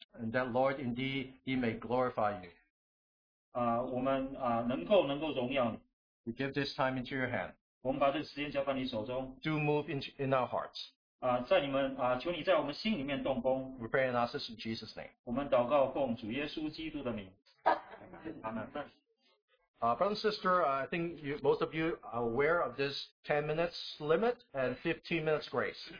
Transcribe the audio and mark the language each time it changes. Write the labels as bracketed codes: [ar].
[en] And that Lord, indeed, He may glorify you. [zh] 我们能够荣耀你。 [en] We give this time into your hand. [zh] 我们把这个时间交在你手中。 [en] Do move in our hearts. [zh] 求你在我们心里面动工。 [en] We pray and ask this in Jesus' name. [zh] 我们祷告奉主耶稣基督的名。 [en] Amen. Brother and sister, I think most of you are aware of this 10 minutes limit and 15 minutes grace.